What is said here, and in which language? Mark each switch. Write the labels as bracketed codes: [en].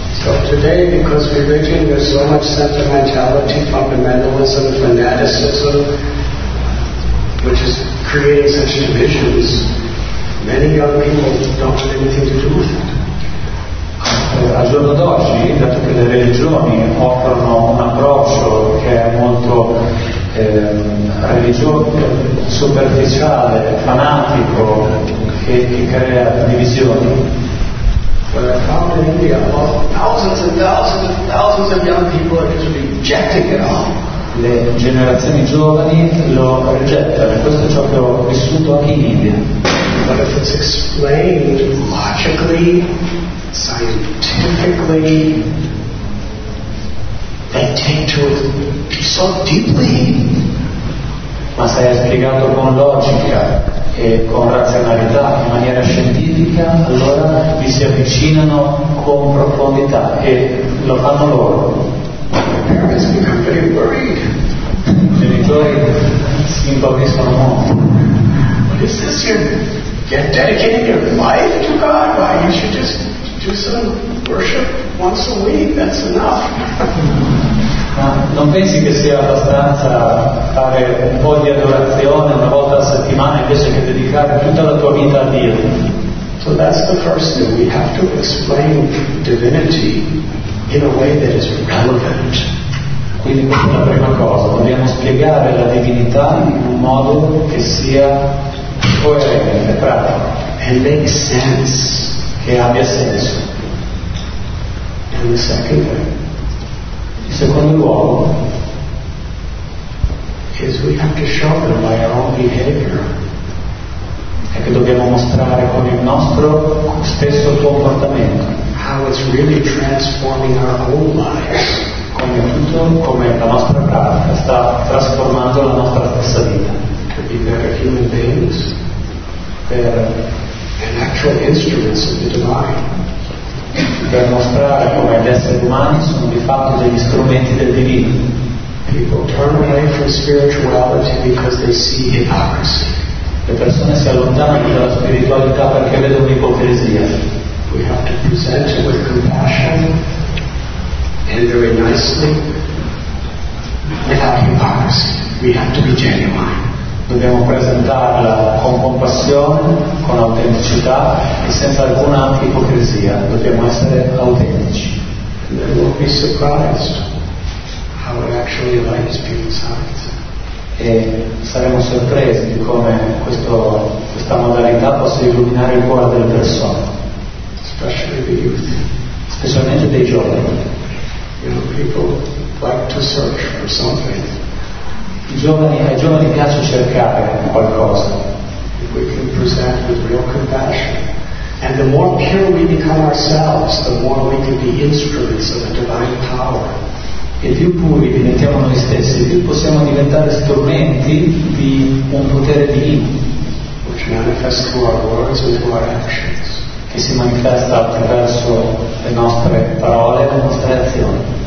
[en] So today, because religion, there's so much sentimentality, fundamentalism, fanaticism, which is creating such divisions, many young people don't have anything to do with it. [it] Al giorno d'oggi, dato che le religioni offrono un approccio che è molto religioso, superficiale, fanatico, che crea divisioni. [en] But I found in India thousands and thousands and thousands of young people are just rejecting it all. [it] Le generazioni giovani lo rigettano, questo è ciò che ho vissuto anche in India. [en] But if it's explained logically, scientifically, they take to it so deeply. [it] Ma se è spiegato con logica e con razionalità, in maniera scientifica, allora vi si avvicinano con profondità e lo fanno loro. I genitori si impauriscono molto. [en] What is this? You're dedicating your life to God? Why you should just do some worship once a week? That's enough. [it] Non pensi che sia abbastanza fare un po' di adorazione una volta a settimana invece che dedicare tutta la tua vita a Dio? [en] So that's the first thing. We have to explain divinity in a way that is relevant. [it] Quindi questa è la prima cosa. Dobbiamo spiegare la divinità in un modo che sia coerente, pratico. [en] And make sense. [it] Che abbia senso. [en] And the second thing. [it] In secondo luogo, [en] is we have to show them by our own behavior. [it] È che dobbiamo mostrare con il nostro stesso comportamento [en] how it's really transforming our own lives. [it] Come tutto, come la nostra pratica sta trasformando la nostra stessa vita. [en] To be better human beings, [it] per [en] actual instruments of the divine. [it] Per mostrare come gli esseri umani sono di fatto degli strumenti del divino. [en] People turn away from spirituality because they see hypocrisy. [it] Le persone si allontanano dalla spiritualità perché vedono l'ipocrisia. [en] We have to present it with compassion and very nicely without hypocrisy. We have to be genuine. [it] Dobbiamo presentarla con compassione, con autenticità e senza alcuna ipocrisia. Dobbiamo essere autentici. [en] And then we'll be surprised how it actually aligns people inside. [it] E saremo sorpresi di come questa modalità possa illuminare il cuore delle persone. [en] Especially the youth. [it] Specialmente dei giovani. [en] You know, people like to search for something. [it] Ai giovani piace cercare qualcosa. [en] We can present with real compassion. And the more pure we become ourselves, the more we can be instruments of the divine power. [it] E più puri diventiamo noi stessi, più possiamo diventare strumenti di un potere divino. [en] Which manifests through our words and through our actions. [it] Che si manifesta attraverso le nostre parole e le nostre azioni.